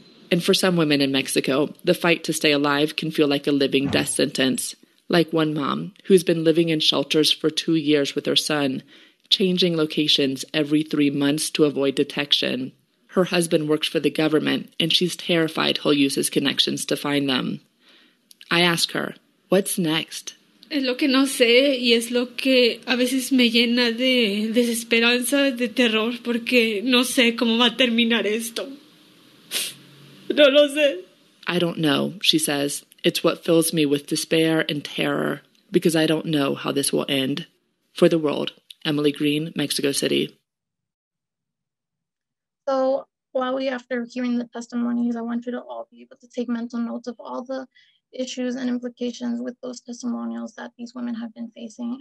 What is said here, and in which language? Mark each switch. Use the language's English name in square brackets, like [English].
[English] And for some women in Mexico, the fight to stay alive can feel like a living death sentence. Like one mom, who's been living in shelters for 2 years with her son, changing locations every 3 months to avoid detection. Her husband works for the government, and she's terrified he'll use his connections to find them. I ask her, what's next? [Spanish] Es lo que no sé y es lo que a veces me llena de desesperanza, de terror, porque no sé cómo va a terminar esto. No lo sé. [English] I don't know, she says. It's what fills me with despair and terror, because I don't know how this will end. For the World, Emily Green, Mexico City. So while we, after hearing the testimonies, I want you to all be able to take mental notes of all the issues and implications with those testimonials that these women have been facing.